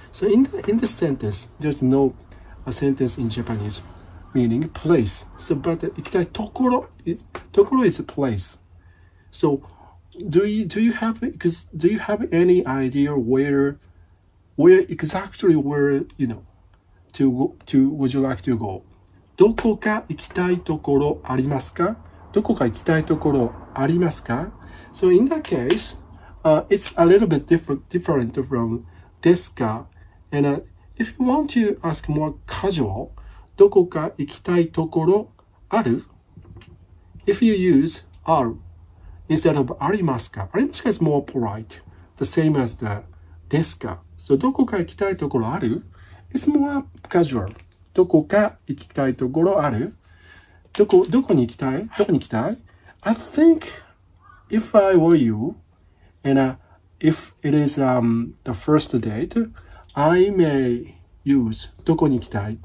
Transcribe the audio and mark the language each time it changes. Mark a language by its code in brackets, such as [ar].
[en] So in the sentence, there's no a sentence in Japanese meaning place. So but [ja] 行きたいところ ところ [en] is a place. So,Do you have any idea where you know to would you like to go? [ja] どこか行きたいところありますか?どこか行きたいところありますか? [en] So in that case, it's a little bit different from [ja] ですか. [en] And if you want to ask more casual, [ja] どこか行きたいところある? [en] If you use areInstead of [ja] arimasuka, [en] arimasuka is more polite, the same as the desuka. [ja] So, どこか行きたいところある? [en] It's more casual. [ja] どこか行きたいところある? どこに行きたい?どこに行きたい? [en] I think if I were you, and if it is the first date, I may use [ja] どこに行きたい?